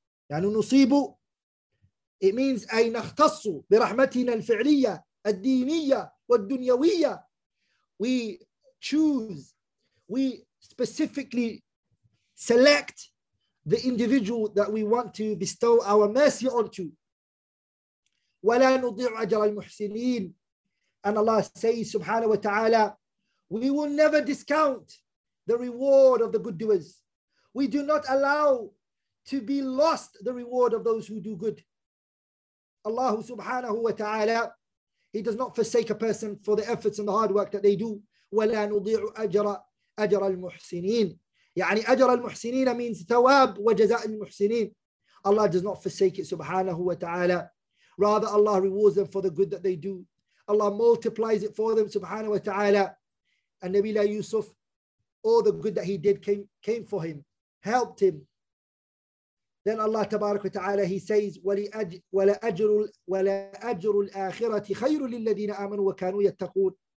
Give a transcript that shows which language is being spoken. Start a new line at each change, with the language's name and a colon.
Arabic: يعني نصيب,
English: it means
Arabic: أي نختص برحمتنا الفعلية الدينية والدنيوية.
English: We choose, we specifically select the individual that we want to bestow our mercy onto.
Arabic: وَلَا نُضِيعُ أَجْرَ الْمُحْسِنِينَ.
English: And Allah says subhanahu wa ta'ala, we will never discount the reward of the good doers. We do not allow to be lost the reward of those who do good. Allah subhanahu wa ta'ala, He does not forsake a person for the efforts and the hard work that they do.
Arabic: وَلَا نُضِيعُ أَجْرَ الْمُحْسِنِينَ يعني أجر المحسنين
English: means
Arabic: ثواب وجزاء المحسنين.
English: Allah does not forsake it subhanahu wa ta'ala. Rather, Allah rewards them for the good that they do. Allah multiplies it for them subhanahu wa ta'ala. And Nabi Yusuf, all the good that he did came for him, helped him. Then Allah tabarak wa ta'ala, He says,
Arabic: وَلَأَجْرُ الْآخِرَةِ خَيْرٌ لِلَّذِينَ آمَنُوا وَكَانُوا يَتَّقُونَ.